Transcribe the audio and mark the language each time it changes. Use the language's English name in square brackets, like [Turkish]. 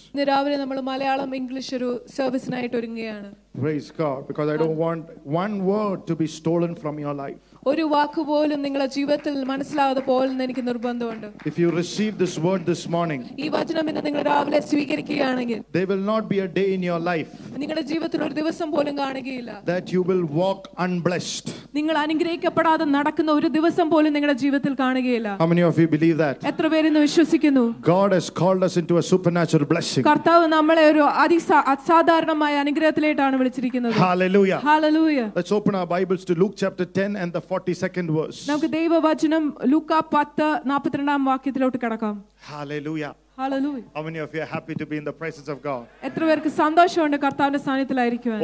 [Malayalam] ഇന്ന് രാവിലെ നമ്മൾ മലയാളം ഇംഗ്ലീഷ് ഒരു സർവീസിനായിട്ട് ഒരുങ്ങുകയാണ്. [English] Praise God, because I don't want one word to be stolen from your life. [Malayalam] ഒരു വാക്ക് പോലും നിങ്ങളുടെ ജീവിതത്തിൽ മനസ്സിലാവാതെ പോകില്ലെന്ന് എനിക്ക് നിർബന്ധമുണ്ട്. [English] If you receive this word this morning, [Malayalam] ഈ വചനം ഇന്ന് നിങ്ങൾ രാവിലെ സ്വീകരിക്കുകയാണെങ്കിൽ, [English] there will not be a day in your life [Malayalam] നിങ്ങളുടെ ജീവിതത്തിൽ ഒരു ദിവസം പോലും കാണുകയില്ല [English] that you will walk unblessed. [Malayalam] നിങ്ങൾ അനുഗ്രഹിക്കപ്പെടാതെ നടക്കുന്ന ഒരു ദിവസം പോലും നിങ്ങളുടെ ജീവിതത്തിൽ കാണുകയില്ല. [English] How many of you believe that? [Malayalam] എത്ര പേർ ഇന്ന് വിശ്വസിക്കുന്നു? [English] God has called us into a supernatural blessing. [Malayalam] കർത്താവ് നമ്മളെ ഒരു അതിസാധാരണമായ അനുഗ്രഹത്തിലേക്കാണ് വിളിച്ചിരിക്കുന്നത്. [English] Hallelujah. Hallelujah. Let's open our Bibles to Luke chapter 10 and the 42nd verse. [Malayalam] നമുക്ക് ദൈവവചനം ലൂക്ക 10:42 വാക്യത്തിലോട്ട് കടക്കാം. [English] Hallelujah. Hallelujah. How many of you are happy to be in the presence of God? [Malayalam] എത്ര പേർക്ക് സന്തോഷമുണ്ട് കർത്താവിന്റെ സാന്നിധ്യത്തിലായിരിക്കുവാൻ?